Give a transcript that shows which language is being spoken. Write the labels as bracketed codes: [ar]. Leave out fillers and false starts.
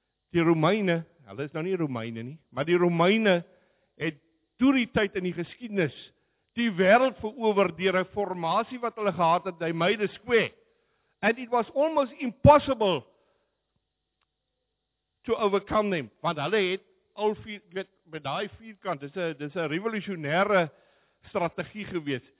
[af] Die Romeine, hulle is nou nie Romeine nie, maar die Romeine het toe die tyd in die geskiedenis die wêreld verower deur 'n formasie wat hulle gehad het, they made a square. [en] And it was almost impossible to overcome them. [af] Want hulle het al vier, weet, met daai vierkant, dis 'n revolusionêre strategie gewees.